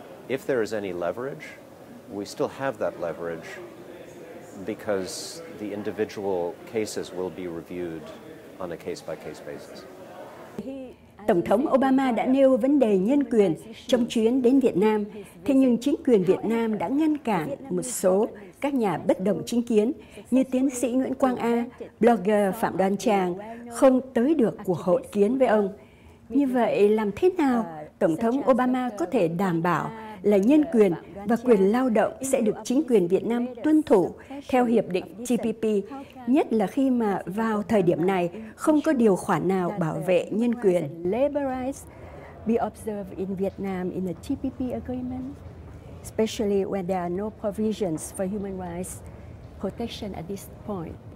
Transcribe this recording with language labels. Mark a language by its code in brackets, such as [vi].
[en] If there is any leverage, we still have that leverage because the individual cases will be reviewed on a case-by-case basis. [vi] Tổng thống Obama đã nêu vấn đề nhân quyền trong chuyến đến Việt Nam, thế nhưng chính quyền Việt Nam đã ngăn cản một số các nhà bất đồng chính kiến như tiến sĩ Nguyễn Quang A, blogger Phạm Đoan Tràng không tới được cuộc hội kiến với ông. Như vậy, làm thế nào Tổng thống Obama có thể đảm bảo là nhân quyền và quyền lao động sẽ được chính quyền Việt Nam tuân thủ theo Hiệp định TPP, nhất là khi mà vào thời điểm này không có điều khoản nào bảo vệ nhân quyền? [en] Labor rights be observed in Vietnam in the TPP agreement, especially when there are no provisions for human rights protection at this point.